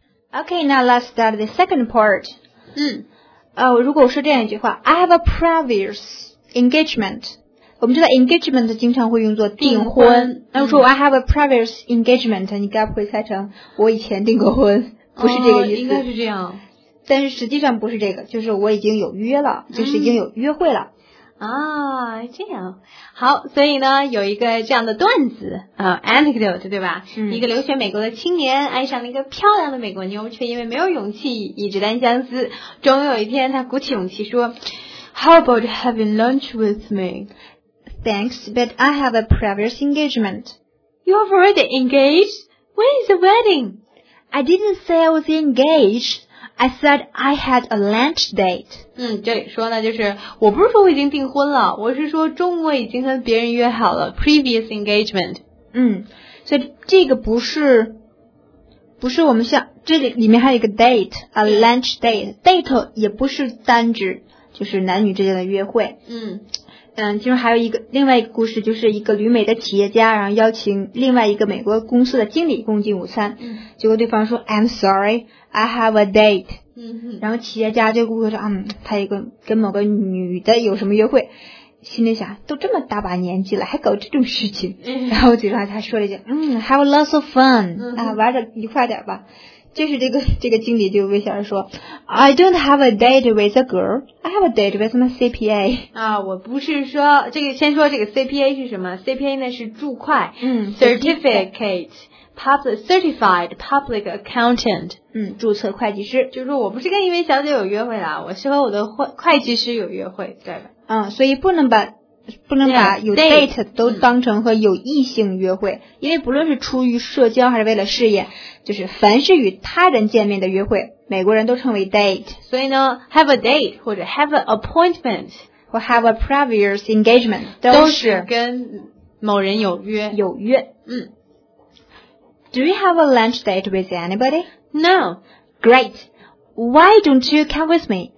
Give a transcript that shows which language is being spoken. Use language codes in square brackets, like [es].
[en] Okay, now let's start the second part. 嗯。 [zh] 如果我说这样一句话 ， [en] I have a previous engagement。 [zh] 我们知道 engagement 经常会用作订婚。那、嗯、我说 [en] I have a previous engagement， [zh] 你该不会猜成我以前订过婚？不是这个意思。哦、应该是这样。但是实际上不是这个，就是我已经有约了，就是已经有约会了。嗯啊，这样好，所以呢，有一个这样的段子啊 ，anecdote 对吧、嗯？一个留学美国的青年爱上了一个漂亮的美国妞，却因为没有勇气，一直单相思。终于有一天，他鼓起勇气说 ， [en] How about having lunch with me? Thanks, but I have a previous engagement. You have already engaged? When is the wedding? I didn't say I was engaged. I said I had a lunch date. [zh] 嗯，这里说呢，就是我不是说我已经订婚了，我是说中午已经和别人约好了 [en] previous engagement. [zh] 嗯，所以这个不是我们像这里面还有一个 date, [en] a lunch date. [zh] Date 也不是单指就是男女之间的约会。嗯。嗯，其中还有一个另外一个故事，就是一个旅美的企业家，然后邀请另外一个美国公司的经理共进午餐。嗯，结果对方说 [en] ，I'm sorry, I have a date。嗯哼， [zh] 然后企业家这个顾客说，嗯，他一个跟某个女的有什么约会，心里想，都这么大把年纪了，还搞这种事情。嗯、然后对方他说了一句，嗯 ， [en] Have lots of fun，、嗯、 [zh] 啊，玩的愉快点吧。就是这个经理就微笑着说 [en] ，I don't have a date with a girl, I have a date with my CPA. [zh] 啊，我不是说这个，先说这个 CPA 是什么 ？CPA 呢是注会，嗯 [en] ，Certificate Public Certified Public Accountant， [zh] 嗯，注册会计师。就是说我不是跟一位小姐有约会啦，我是和我的会计师有约会，对吧？嗯，所以不能把有 [en] date [zh] 都当成和有异性约会，因为不论是出于社交还是为了事业，就是凡是与他人见面的约会，美国人都称为 date。所以呢 ， [en] have a date [zh] 或者 [en] have an appointment [zh] 或 [en] have a previous engagement [zh] 都是跟某人有约。有约，嗯。 [en] Do you have a lunch date with anybody? No. Great. Why don't you come with me?